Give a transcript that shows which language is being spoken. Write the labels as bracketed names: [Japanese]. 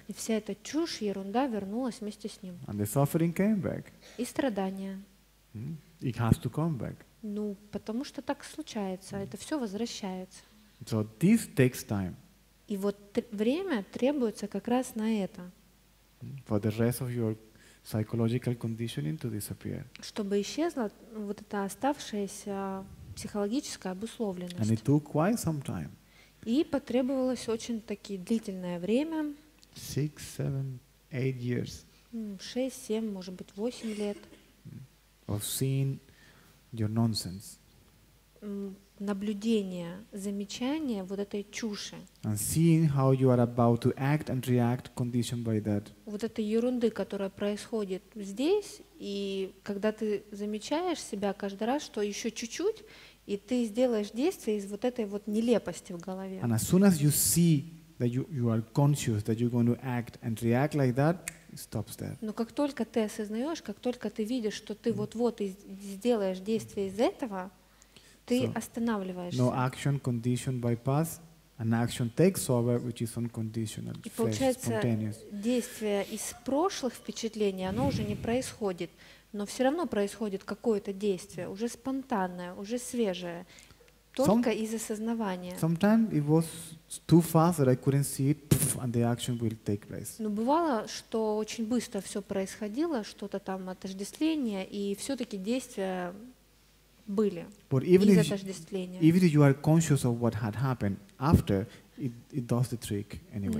[Russian] И вся эта чушь, ерунда вернулась вместе с ним. [English] And the suffering came back. [Russian] И страдания. [English] It has to come back. [Russian] Ну, потому что так случается, это все возвращается. [English] So this takes time. [Russian] И вот время требуется как раз на это. [English] For the rest of your psychological conditioning to disappear. [Russian] Чтобы исчезла вот эта оставшаяся психологическая обусловленность. [English] And it took quite some time. [Russian] И потребовалось очень таки длительное время. [English] 6-7-8 years. [Russian] 6-7, может быть, 8 лет. [English] Of seeing your nonsense. [Russian] наблюдения, замечания вот этой чуши. [English] And seeing how you are about to act and react conditioned by that. [Russian] Вот этой ерунды, которая происходит здесь, и когда ты замечаешь себя каждый раз, что еще чуть-чуть, и ты сделаешь действие из вот этой вот нелепости в голове. [English] And as soon as you see that you are conscious that you're going to act and react like that, stops there. [Russian] Но как только ты осознаешь, как только ты видишь, что ты вот-вот сделаешь действие из этого, ты останавливаешься. [English] No action conditioned by past, an action takes over, which is unconditional, fresh, spontaneous. [Russian] И получается, действие из прошлых впечатлений, оно уже не происходит, но все равно происходит какое-то действие, уже спонтанное, уже свежее, только из осознавания. [English] Sometimes it was too fast that I couldn't see it, and the action will take place. [Russian] Но бывало, что очень быстро все происходило, что-то там отождествление, и все-таки действия были из отождествления. [English] Even if you are conscious of what had happened after, it does the trick anyway.